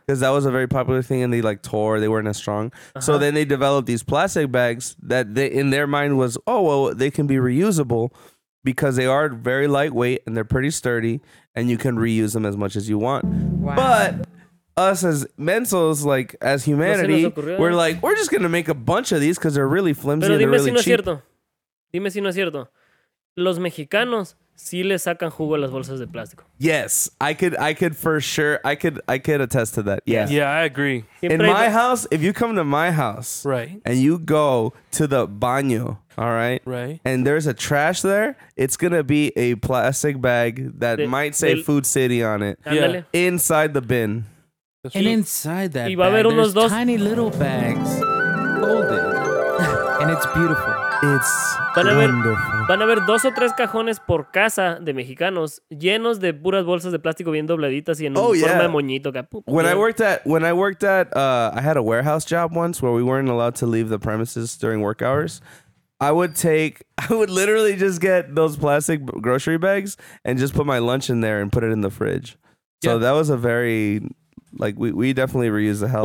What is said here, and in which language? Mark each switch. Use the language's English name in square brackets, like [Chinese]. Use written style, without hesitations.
[English] because that was a very popular thing, and they like tore. They weren't as strong. Uh-huh. So then they developed these plastic bags that they in their mind was they can be reusable because they are very lightweight and they're pretty sturdy, and you can reuse them as much as you want. Wow. But us as mentals, like as humanity, we're like, we're just gonna make a bunch of these because they're really flimsy and they're really cheap. [Spanish] Pero dime si no es cierto. Dime si no es cierto. Los mexicanos sí le sacan jugo a las bolsas de plástico. [English] Yes, I could for sure. I could attest to that. Yes. Yeah, I agree. In my house, if you come to my house, right, and you go to the baño, all right, and there's a trash there, it's gonna be a plastic bag that might say Food City on it. Yeah. Inside the bin. And inside that bag, there's tiny little bags, folded, and it's beautiful. It's wonderful. [Spanish] Van a ver dos o tres cajones por casa de mexicanos llenos de puras bolsas de plástico bien dobladitas y en forma de moñito. [English] I had a warehouse job once where we weren't allowed to leave the premises during work hours. I would literally just get those plastic grocery bags and just put my lunch in there and put it in the fridge. So yeah. That was a very, like, we definitely reused the hell